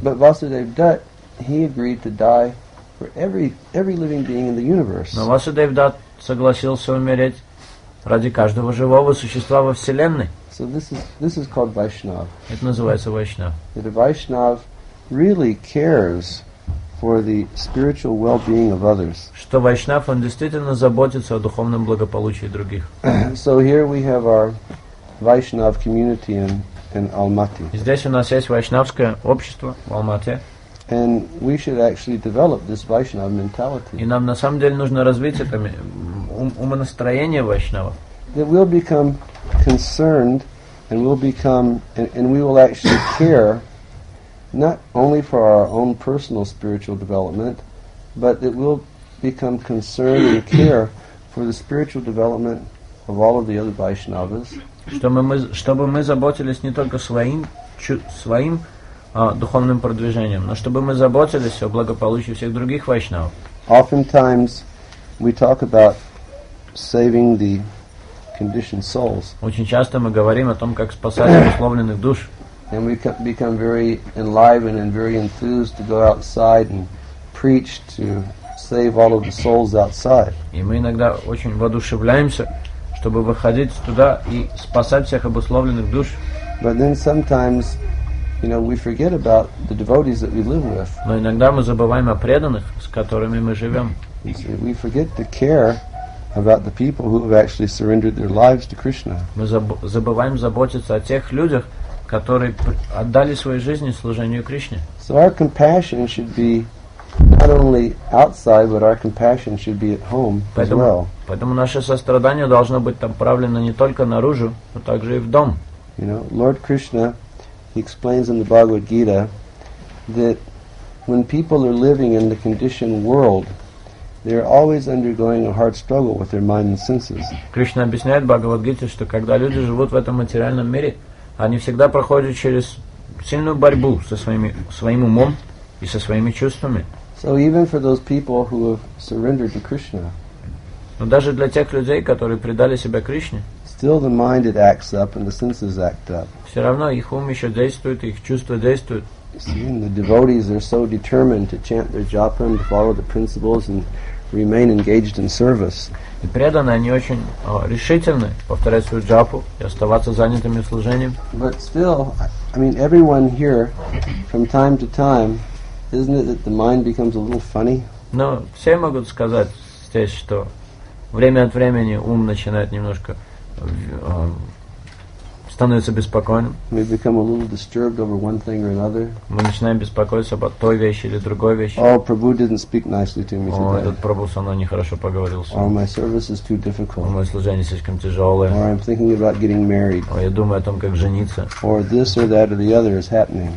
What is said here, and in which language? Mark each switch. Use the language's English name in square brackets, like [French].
[English] But Vasudev Dat, he agreed to die for every living being in the universe. [Russian] Но Васудев Дат согласился умереть ради каждого живого существа во Вселенной. [English] So this is called Vaishnav. [Russian] Это называется Вайшнав. [English] That a Vaishnav really cares for the spiritual well-being of others. [Russian] Что Вайшнав, он действительно заботится о духовном благополучии других. [English] So here we have our Vaishnav community in Almaty. [Russian] Здесь у нас есть Вайшнавское общество в Алмате. [English] And we should actually develop this Vaishnav mentality. [Russian] И нам на самом деле нужно развить это умонастроение Вайшнава. [English] That we'll become concerned and we'll become and we will actually care not only for our own personal spiritual development, but that we'll become concerned and care for the spiritual development of all of the other Vaishnavas. [Russian] Чтобы мы заботились не только своим духовным продвижением, но чтобы мы заботились о благополучии всех других Вайшнав. [English] Oftentimes we talk about saving the conditioned souls. [Russian] Очень часто мы говорим о том, как спасать обусловленных душ. [English] And we become very enlivened and very enthused to go outside and preach to save all of the souls outside. [Russian] И мы иногда очень воодушевляемся, чтобы выходить туда и спасать всех обусловленных душ. [English] But then sometimes, you know, we forget about the devotees that we live with. [Russian] Но иногда мы забываем о преданных, с которыми мы живем. [English] We forget to care about the people who have actually surrendered their lives to Krishna. [Russian] Мы забываем заботиться о тех людях, которые отдали свои жизни служению Кришне. [English] So our compassion should be not only outside, but our compassion should be at home as well. [Russian] Поэтому наше сострадание должно быть направлено не только наружу, но также и в дом. [English] You know, Lord Krishna, he explains in the Bhagavad Gita that when people are living in the conditioned world, they're always undergoing a hard struggle with their mind and senses. [Russian] Кришна объясняет Бхагавад-гите, что когда люди живут в этом материальном мире, они всегда проходят через сильную борьбу со своим умом и со своими чувствами. [English] So even for those people who have surrendered to Krishna, [Russian] но даже для тех людей, которые предали себя Кришне, [English] still the mind it acts up and the senses act up. [Russian] Все равно их ум еще действует, их чувства действуют. [English] See, the devotees are so determined to chant their japa and follow the principles and remain engaged in service. [Russian] И преданные, они очень решительны повторять свою джапу и оставаться занятыми служением. [English] But still, I mean, everyone here, from time to time, isn't it that the mind becomes a little funny? [Russian] Но все могут сказать здесь, что время от времени ум начинает немножко становится беспокойным. [English] We become a little disturbed over one thing or another. [Russian] Мы начинаем беспокоиться об той вещи или другой вещи. [English] Oh, Prabhu didn't speak nicely to me today. [Russian] О, этот Прабху со мной нехорошо поговорил. [English] Oh, my service is too difficult. [Russian] О, мое служение слишком тяжелое. [English] Or I'm thinking about getting married. [Russian] О, я думаю о том, как жениться. [English] Or this or that or the other is happening.